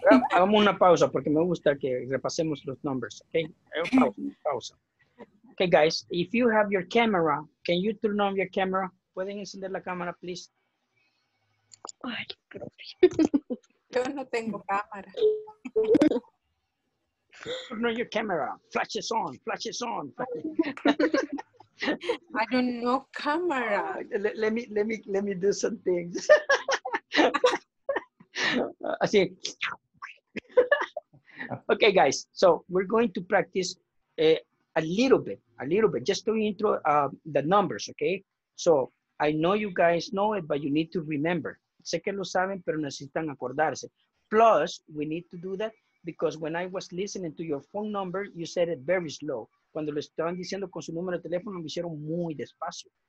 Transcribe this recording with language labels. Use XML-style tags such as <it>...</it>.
<es>Hagamos una pausa porque me gusta que repasemos los numbers. Okay, pausa.</es> <en>Okay, guys, if you have your camera, can you turn on your camera?</en> <es>¿Pueden encender la cámara, please? Yo no tengo cámara.</es> <en>Turn on your camera. Flashes on. I don't know camera. Let me do some things.</en> <es>Así.</es> <en>Okay, guys. So we're going to practice a little bit. Just to intro the numbers, okay? So I know you guys know it, but you need to remember.</en> <es>Sé que lo saben, pero necesitan acordarse.</es> <en>Plus, we need to do that because when I was listening to your phone number, you said it very slow.</en> <es>cuando lo estaban diciendo con su número de teléfono, lo hicieron muy despacio.</es>